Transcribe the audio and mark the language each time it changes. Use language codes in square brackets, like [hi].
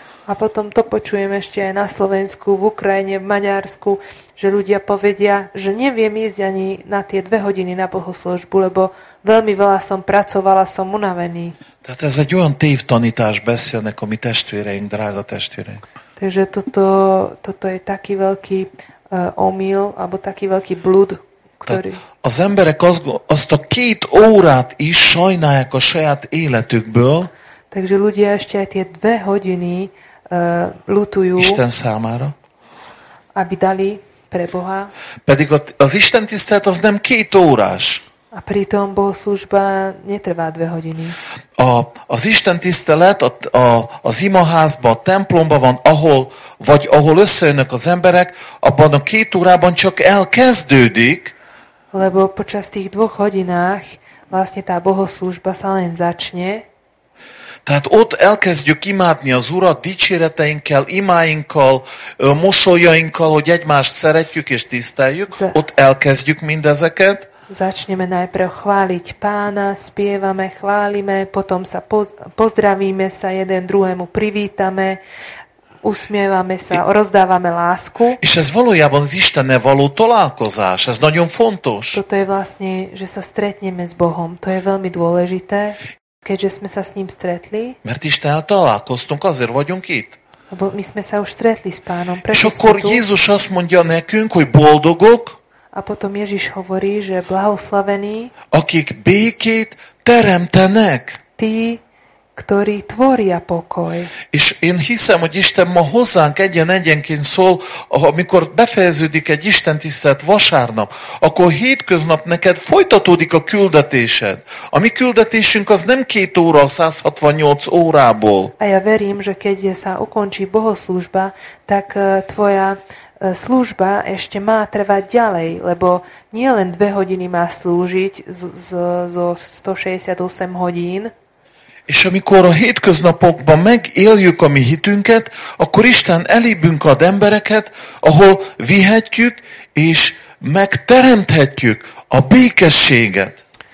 [sk] A potom to počujem ešte aj na Slovensku, v Ukrajine, v Maďarsku, že ľudia povedia, že neviem ísť ani na tie 2 hodiny na bohoslúžbu, lebo veľmi veľa som pracovala, som unavený. [hu] Tehát ez egy olyan tévtanítás beszélnek a mi testvéreink, drága testvéreink. [sk] Takže toto je taký veľký omyl, alebo taký veľký blúd, ktorý... [hu] Tehát az emberek azt a 2 órát is sajnálják a saját életükből. [sk] Takže ľudia ešte aj tie 2 hodiny lutujú. [hu] Isten számára. [sk] Aby dali pre Boha. [hu] Pedig az Isten tisztelet az nem 2 órás. [sk] A pritom bohoslúžba netrvá 2 hodiny. [hu] Az Isten tisztelet az imaházban, a templomban van, ahol összejönnek az emberek, abban a 2 órában csak elkezdődik. [sk] Lebo počas tých 2 hodinách vlastne tá bohoslúžba sa len začne. [hu] Tehát ott elkezdjük imádni az Urat dicséreteinkkel, imáinkkal, mosolyainkkal, hogy egymást szeretjük és tiszteljük. Ott elkezdjük mindezeket. [sk] Začneme najprv chváliť Pána, spievame, chválime, potom sa pozdravíme sa jeden druhému, privítame, usmievame sa, rozdávame lásku. [hu] És ez valójában az Istennel való találkozás, ez nagyon fontos. [sk] Toto je vlastne, že sa stretneme s Bohom, to je veľmi dôležité. Keďže sme sa s ním stretli. [hu] Mert Istennel találkoztunk, azért vagyunk itt. [sk] Lebo my sme sa už stretli s Pánom. [hu] És akkor Jézus azt mondja nekünk, hogy boldogok. [sk] A potom Ježiš hovorí, že blahoslavení. [hu] Akik békét teremtenek. [sk] Tí, ktorí tvoria pokoj. [hu] És én hiszem, hogy Isten ma hozzánk egyen-egyenként szól, amikor befejeződik egy Isten tisztelet vasárnap, akkor hétköznap neked folytatódik a küldetésed. A mi küldetésünk az nem 2 óra 168 órából. [sk] A ja verím, že keď sa ukončí bohoslúžba, tak tvoja služba ešte má trvať ďalej, lebo nie len 2 hodiny má slúžiť zo 168 hodín. [hu] És amikor a hétköznapokban megéljük a mi hitünket, akkor Isten elébünk ad embereket, ahol vihetjük és megteremthetjük a békességet.